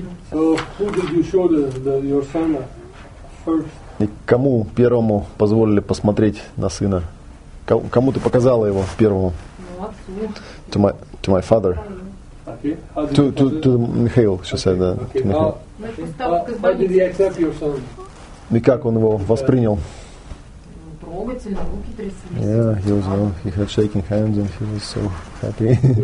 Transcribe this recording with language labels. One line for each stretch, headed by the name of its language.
English: So who did you show your son first?
Russian: И кому первому позволили посмотреть на сына? Кому ты показала его первому? Молодцы.
English: To my father. Okay. To Михаил, she said that. Okay. To Михаил. How did he accept your son?
Russian: И как он его воспринял? Трогательно, руки тряслись.
English: Yeah, he had shaking hands and he was so happy.